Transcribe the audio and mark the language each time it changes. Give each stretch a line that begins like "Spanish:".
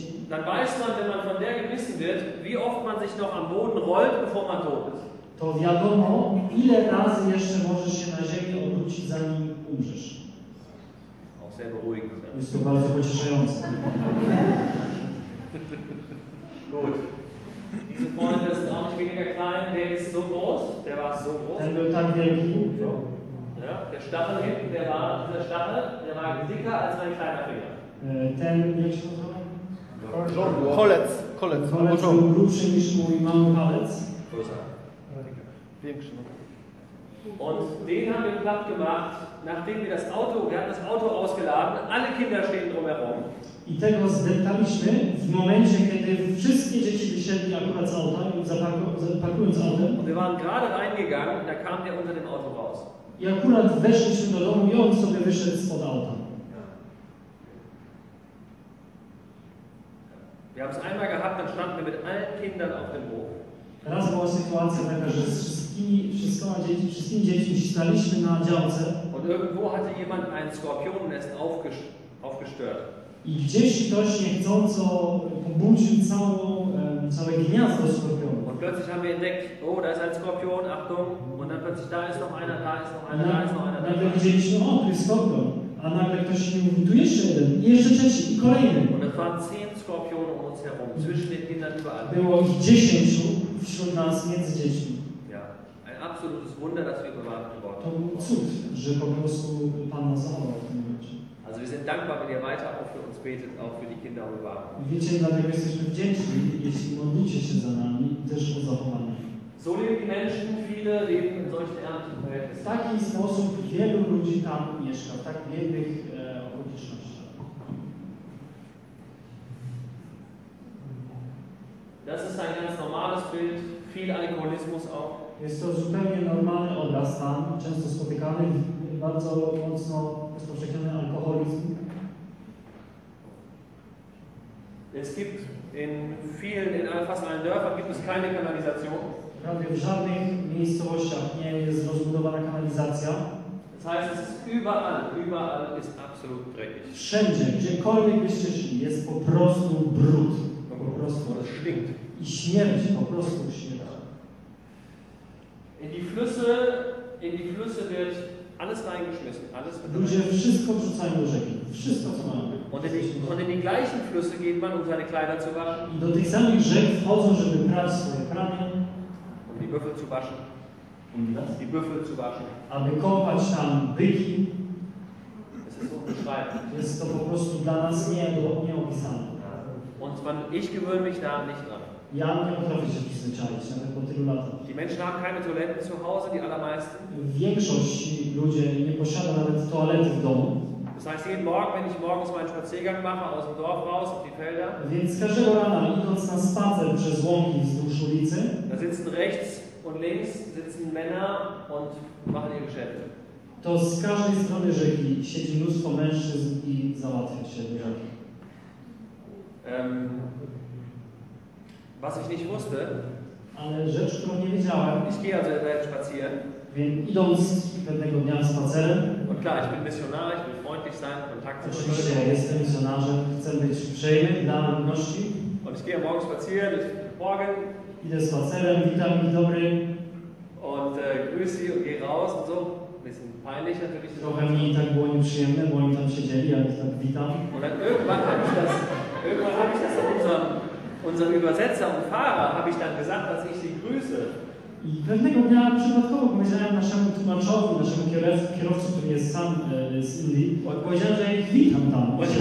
German: Dann weiß man, wenn man von der gebissen wird, wie oft man sich noch am Boden rollt, bevor man tot ist.
Polish: To wiadomo, ile razy jeszcze możesz się na ziemię obrócić, zanim umrzesz.
German: Auch sehr beruhigend.
Polish: Jest to bardzo pocieszające.
German: Gut. Dieser Freund ist auch nicht weniger klein, der ist so groß, der war so groß. Der wird dann wieder gut. Ja, der Stachel hinten, der war, dieser Stachel, der war dicker als mein kleiner Finger.
Polish: Ten,
German: welcher von euch?
Polish: Kolec. Kolec był grubszy niż mój mały palec. Większy.
German: Und den haben wir platt gemacht, nachdem wir das Auto, wir hatten das Auto ausgeladen, alle Kinder stehen drumherum.
Polish: I tego zdeptaliśmy w momencie, kiedy wszystkie dzieci wysiedli akurat z auta i zapakując autem.
German: Wir waren gerade reingegangen, da kam der unter dem Auto raus.
Polish: I akurat weszliśmy do domu i on sobie wyszedł spod auta.
German: Wir haben es einmal gehabt, dann standen wir mit allen Kindern auf dem Hof.
Polish: Raz była sytuacja taka, że wszystkimi dziećmi staliśmy na działce.
German: Und irgendwo hatte jemand ein Skorpionennest aufgestört.
Polish: I gdzieś ktoś niechcąco pobudził całe gniazdo skorpionów.
German: Und plötzlich haben wir entdeckt, oh, da ist ein Skorpion, Achtung. Und dann plötzlich, da ist noch einer, da ist noch einer, da ist noch einer.
Polish: Nagle widzieliśmy, o, tu jest skorpion. A nagle ktoś mi mówi, tu jeszcze jeden, i jeszcze trzeci, i kolejny.
German: Und es waren 10 Skorpionen um uns herum, zwischen den Kindern überall.
Polish: Było ich 10 wśród nas, między dziećmi.
German: Ja, ein absolutes Wunder, dass wir bewahrt wurden.
Polish: To był cud, że po prostu Pan nas zabrał w tym momencie.
German: Also wir sind dankbar, wenn ihr weiter auch für uns betet, auch für die Kinder und Waren.
Polish: Wiecie, dlatego jesteśmy wdzięczni, jeśli modlicie się za nami i też o zachowanie.
German: So leben die Menschen, viele leben in solchen ärmlichen Verhältnissen.
Polish: W taki sposób wielu ludzi tam mieszka, w tak biednych okolicznościach.
German: Das ist ein ganz normales Bild, viel Alkoholismus auch.
Polish: Jest to zupełnie normalny obraz tam, często spotykany, bardzo mocno rozpowszechniony alkoholizm.
German: Es gibt in vielen, in fast allen Dörfern gibt es keine Kanalisation.
Polish: Prawie w żadnych miejscowościach nie jest rozbudowana kanalizacja.
German: Das heißt, es ist überall ist absolut dreckig.
Polish: Wszędzie, gdziekolwiek byście szli, jest po prostu brud. Po prostu.
German: Das stinkt.
Polish: I śmierć po prostu śmierć.
German: In die Flüsse wird alles reingeschmissen, alles
Polish: ludzie wszystko wrzucają do rzeki, wszystko co mają.
German: Und in die gleichen Flüsse geht man, um seine Kleider zu waschen.
Polish: I do tych samych rzek wchodzą, żeby prać swoje prania.
German: Um die Büffel zu waschen. Um das? Die Büffel zu waschen.
Polish: Aby kopać tam byki.
German: Es ist unbeschreiblich.
Polish: Jest to po prostu dla nas nieopisane.
German: Ich gewöhne mich da nicht dran.
Polish: Ja nie potrafię się tym zmierzyć, nawet po tylu latach.
German: Die Menschen haben keine Toiletten zu Hause, die allermeisten.
Polish: Większość ludzi nie posiada nawet toalety w domu.
German: Das heißt, jeden Morgen, wenn ich morgens meinen Spaziergang mache, aus dem Dorf raus, auf die Felder,
Polish: więc każdego rana, idąc na spacer przez łąki wzdłuż ulicy,
German: da sitzen rechts und links sitzen Männer und machen ihre Geschäfte.
Polish: To z każdej strony rzeki siedzi mnóstwo mężczyzn i załatwia się do rzeki.
German: Was ich nicht wusste,
Polish: ale rzecz, którą nie wiedziałem,
German: ich gehe also immer spazieren,
Polish: więc idąc pewnego dnia spacerem,
German: und klar, ich bin misjonar, ich will freundlich sein, Kontakt zu Menschen.
Polish: Oczywiście, ja jestem misjonarzem, chcę być uprzejmy dla ludności.
German: Und ich gehe morgen spazieren, ich morgen.
Polish: Idę spacerem, witam, dzień dobry.
German: Und grüß sie und geh raus und so. Bisschen peinlich natürlich.
Polish: Trochę mi tak było nieprzyjemne, bo oni tam siedzieli, ja ich tam witam.
German: Und dann irgendwann hab ich das unserem Übersetzer und Fahrer habe ich dann gesagt, dass ich sie grüße.
Polish: I pewnego dnia przypadkowo powiedziałem naszemu tłumaczowi, naszemu kierowcy, który jest sam z Indii, powiedziałem, że ich witam tam.